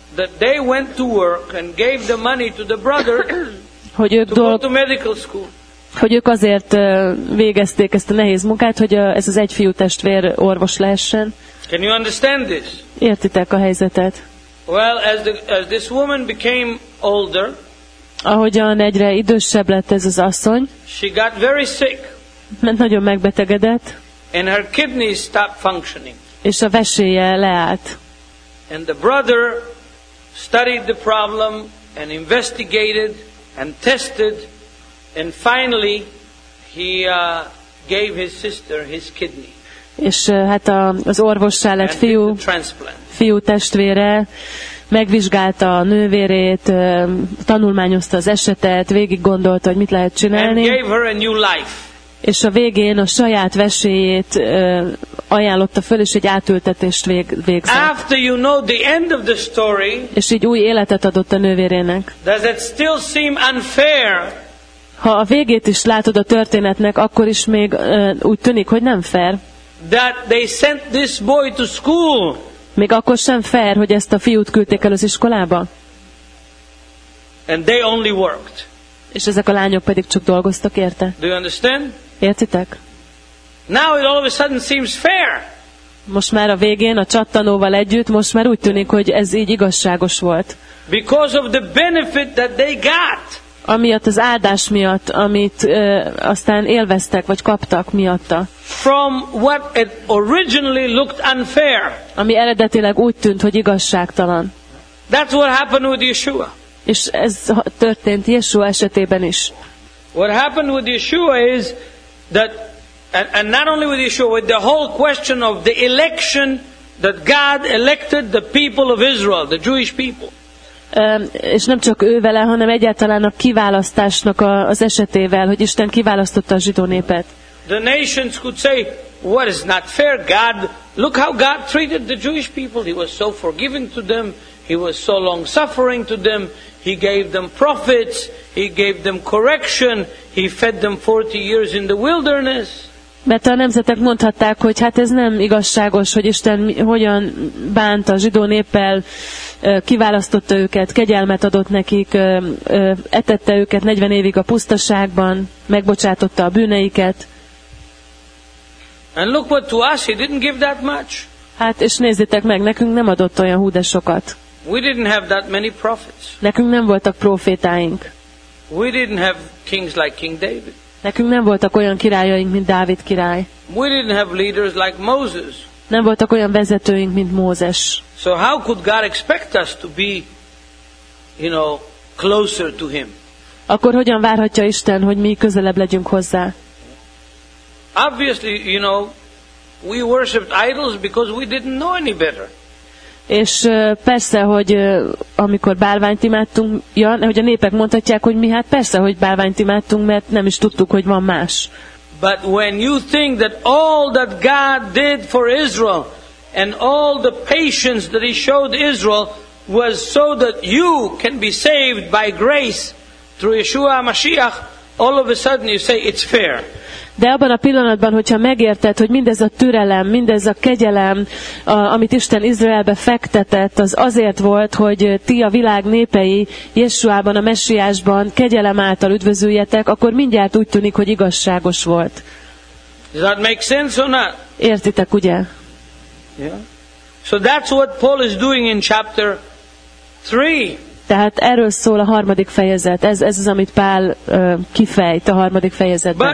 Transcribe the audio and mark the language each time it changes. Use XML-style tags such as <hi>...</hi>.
<en>That they went to work and gave the money to the brother</en> <hu>hogy ők</hu> <en>to medical school.</en> <hu>Hogy ők azért végezték ezt a nehéz munkát, hogy ez az egy fiú testvér orvos lehessen.</hu> <en>Can you understand this?</en> <hu>Értitek a helyzetet?</hu> <en>Well, as this woman became older,</en> <hu>ahogyan egyre idősebb lett ez az asszony,</hu> <en>she got very sick,</en> <hu>mert nagyon megbetegedett,</hu> <en>and her kidneys stopped functioning.</en> <hu>És a veséje leállt.</hu> <en>And the brother studied the problem and investigated and tested. And finally, he gave his sister his kidney.</en> <hu>És hát az orvossá lett fiú, fiú testvére, megvizsgálta a nővérét, tanulmányozta az esetet, végig gondolta, hogy mit lehet csinálni.</hu> <en>And gave her a new life.</en> <hu>És a végén a saját veséjét ajánlotta föl, és egy átültetést végzett.</hu> <en>After you know the end of the story,</en> <hu>és így új életet adott a nővérének.</hu> <en>Does it still seem unfair?</en> <hu>Ha a végét is látod a történetnek, akkor is még úgy tűnik, hogy nem fair.</hu> <en>That they sent this boy to school.</en> <hu>Még akkor sem fair, hogy ezt a fiút küldték el az iskolába.</hu> <en>And they only worked.</en> <hu>És ezek a lányok pedig csak dolgoztak érte.</hu> <en>Do you understand?</en> <hu>Értitek?</hu> <en>Now it all of a sudden seems fair.</en> <hu>Most már a végén, a csattanóval együtt, most már úgy tűnik, hogy ez így igazságos volt.</hu> <en>Because of the benefit that they got.</en> <hu>amiatt az áldás miatt, amit aztán élveztek vagy kaptak miatta.</hu> <en>From what it originally looked unfair.</en> <hu>Ami eredetileg úgy tűnt, hogy igazságtalan.</hu> <en>That's what happened with Yeshua.</en> <hu>És ez történt Yeshua esetében is.</hu> <en>What happened with Yeshua is that, and not only with Yeshua, with the whole question of the election that God elected the people of Israel, the Jewish people.</en> <hu>És nem csak ővele, hanem egyáltalán a kiválasztásnak az esetével, hogy Isten kiválasztotta a zsidó népet.</hu> <en>The nations could say, what is not fair, God, look how God treated the Jewish people. He was so forgiving to them, he was so long-suffering to them, he gave them prophets, he gave them correction, he fed them 40 years in the wilderness.</en> <hu>Mert a nemzetek mondhatták, hogy hát ez nem igazságos, hogy Isten hogyan bánt a zsidó néppel, kiválasztotta őket, kegyelmet adott nekik, etette őket 40 évig a pusztaságban, megbocsátotta a bűneiket.</hu> <en>And look what to us, he didn't give that much.</en> <hu>Hát és nézzétek meg, nekünk nem adott olyan hú de sokat.</hu> <en>We didn't have that many prophets.</en> <hu>Nekünk nem voltak prófétáink.</hu> <en>We didn't have kings like King David.</en> <hu>Nekünk nem voltak olyan királyaink, mint Dávid király.</hu> <en>We didn't have leaders like Moses.</en> <hu>Nem voltak olyan vezetőink, mint Mózes.</hu> <en>So how could God expect us to be, you know, closer to him?</en> <hu>Akkor hogyan várhatja Isten, hogy mi közelebb legyünk hozzá?</hu> <en>Obviously, you know, we worshiped idols because we didn't know any better.</en> <hu>És persze, hogy amikor bálványt imádtunk, ja, hogy a népek mondhatják, hogy mi hát persze, hogy bálványt imádtunk, mert nem is tudtuk, hogy van más.</hu> <en>But when you think that all that God did for Israel and all the patience that he showed Israel was so that you can be saved by grace through Yeshua Mashiach, all of a sudden you say it's fair.</en> <hu>De abban a pillanatban, hogyha megérted, hogy mindez a türelem, mindez a kegyelem, amit Isten Izraelbe fektetett, az azért volt, hogy ti a világ népei Jesuában, a Messiásban kegyelem által üdvözüljetek, akkor mindjárt úgy tűnik, hogy igazságos volt.</hu> <en>Does that make sense or not?</en> <hu>Értitek, ugye?</hu> <en>Yeah. So that's what Paul is doing in chapter 3.</en> <hu>Tehát erről szól a harmadik fejezet. Ez az, amit Pál kifejt a harmadik fejezetben.</hu>